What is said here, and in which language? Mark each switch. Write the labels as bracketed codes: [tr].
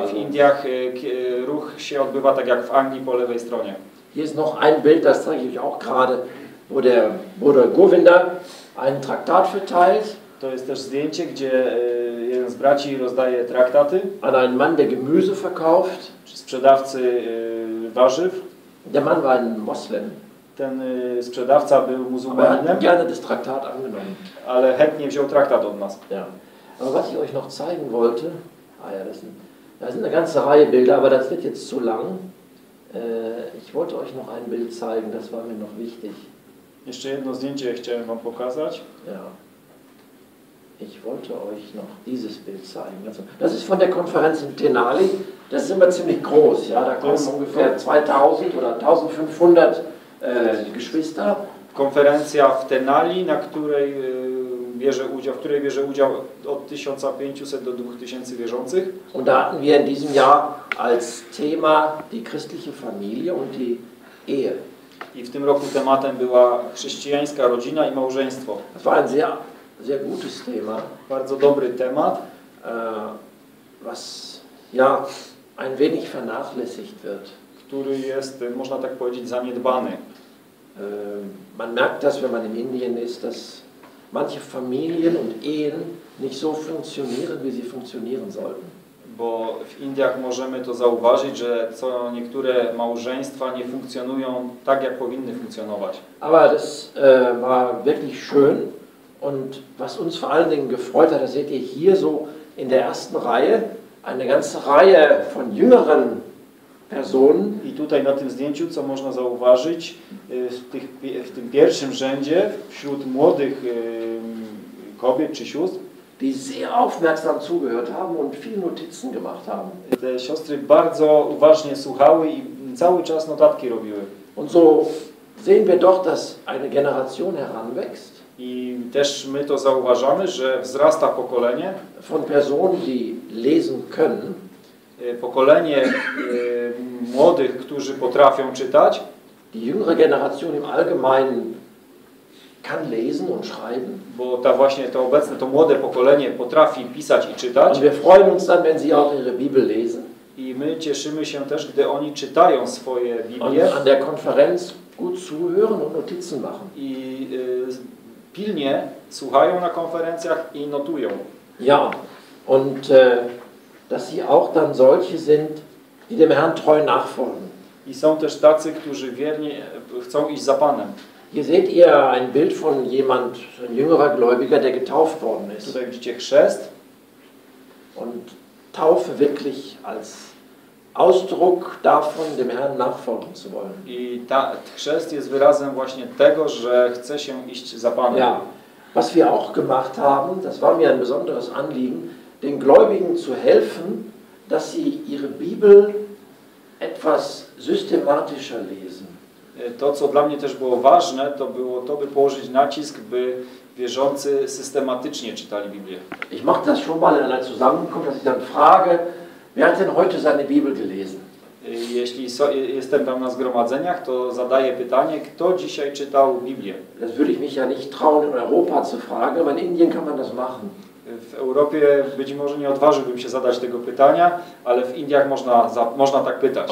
[pl] W Indiach ruch się odbywa tak jak w Anglii po lewej stronie. [de] Hier ist noch ein Bild, das zeige ich auch gerade, wo der Bruder Govinda einen Traktat verteilt. [pl] To jest też zdjęcie, gdzie jeden z braci rozdaje traktaty. [de] An einen Mann, der Gemüse verkauft. [pl] Sprzedawcy warzyw. [de] Der Mann war ein Moslem. [pl] Ten sprzedawca był muzułmaninem. [de] Aber gerne das Traktat angenommen. [pl] Ale chętnie wziął traktat od nas. [de] Ja. Aber was ich euch noch zeigen wollte, da sind eine ganze Reihe Bilder, aber das wird jetzt zu lang. Ich wollte euch noch ein Bild zeigen, das war mir noch wichtig. [pl] Jeszcze jedno zdjęcie chciałem wam pokazać. [de] Ja. Ich wollte euch noch dieses Bild zeigen. Das ist von der Konferenz in Denali. Das ist immer ziemlich groß, ja. Da kommen ungefähr 2000 oder 1500 Geschwister. [pl] Konferencja w Denali, na której bierze udział od 1500 do 2000 wierzących. [de] Und da hatten wir in diesem Jahr als Thema die christliche Familie und die Ehe. [pl] I w tym roku tematem była chrześcijańska rodzina i małżeństwo. [de] Das war ein sehr, sehr gutes Thema. [pl] Bardzo dobry temat, [de] was ja ein wenig vernachlässigt wird. [pl] Który jest, można tak powiedzieć, zaniedbany. [de] Man merkt das, wenn man in Indien ist, dass manche Familien und Ehen nicht so funktionieren, wie sie funktionieren sollten. [pl] Bo w Indiach możemy to zauważyć, że co niektóre małżeństwa nie funkcjonują tak, jak powinny funkcjonować. [de] Aber das war wirklich schön und was uns vor allen Dingen gefreut hat, das seht ihr hier so in der ersten Reihe, eine ganze Reihe von jüngeren Personen. [pl] I tutaj na tym zdjęciu, co można zauważyć, w tym pierwszym rzędzie, wśród młodych kobiet czy sióstr, [de] die sehr aufmerksam zugehört haben und viele Notizen gemacht haben. [pl] Te siostry bardzo uważnie słuchały i cały czas notatki robiły. [de] Und so sehen wir doch, dass eine Generation heranwächst. [pl] I też my to zauważamy, że wzrasta pokolenie. [de] Von Personen, die lesen können. [pl] Pokolenie młodych, którzy potrafią czytać. [de] Die jüngere Generation im Allgemeinen kann lesen und schreiben. [pl] Bo ta właśnie to obecne, to młode pokolenie potrafi pisać i czytać. [de] Und wir freuen uns dann, wenn sie auch ihre Bibel lesen. [pl] I my cieszymy się też, gdy oni czytają swoje Biblię. [de] Und an der Konferenz gut zuhören und Notizen machen. [pl] I pilnie słuchają na konferencjach i notują. [de] Ja, und dass sie auch dann solche sind, die dem Herrn treu nachfolgen. [pl] I są też tacy, którzy wiernie chcą iść za Panem. [de] Hier seht ihr ein Bild von jemand, ein jüngerer Gläubiger, der getauft worden ist. [pl] Tutaj widzicie chrzest. [de] Und Taufe wirklich als Ausdruck davon, dem Herrn nachfolgen zu wollen. [pl] I ta chrzest jest wyrazem właśnie tego, że chce się iść za Panem. [de] Ja. Was wir auch gemacht haben, das war mir ein besonderes Anliegen, den Gläubigen zu helfen, dass sie ihre Bibel etwas systematischer lesen. [pl] To, co dla mnie też było ważne, to było to, by położyć nacisk, by wierzący systematycznie czytali Biblię. [de] Ich mach das schon mal in einer Zusammenkunft, dass ich dann frage, wer hat denn heute seine Bibel gelesen? [pl] Jeśli jestem tam na zgromadzeniach, to zadaję pytanie, kto dzisiaj czytał Biblię? [de] Das würde ich mich ja nicht trauen, in Europa zu fragen, aber in Indien kann man das machen. [pl] W Europie być może nie odważyłbym się zadać tego pytania, ale w Indiach można tak pytać.